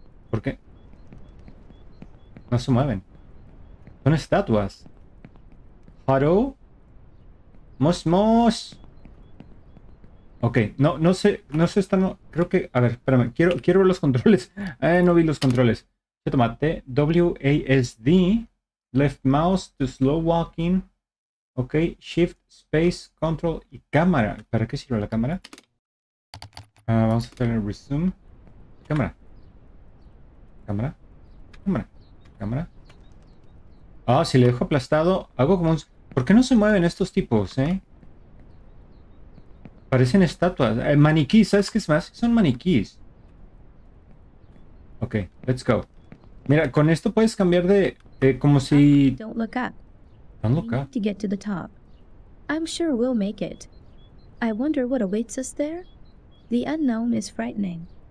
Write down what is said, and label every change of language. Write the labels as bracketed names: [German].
[Spanish] ¿Por qué? No se mueven. Son estatuas. Haro. Mos, mos. Ok, no sé, creo que... A ver, espérame, quiero ver los controles. No vi los controles. [English] Tomate, WASD, left mouse to slow walking. [Spanish] Ok, shift, space, control y cámara. ¿Para qué sirve la cámara? Vamos a hacer el resume. Cámara. Cámara. Cámara. Cámara. Ah, si le dejo aplastado, hago como un... ¿Por qué no se mueven estos tipos, Parecen estatuas. Maniquís, ¿sabes qué es más? Son maniquís. [English] Ok, let's go. [Spanish] Mira, con esto puedes cambiar de como si... [English] Don't look up. Don't look up. We need to get to the top. I'm sure we'll make it. I wonder what awaits us there. The unknown is frightening.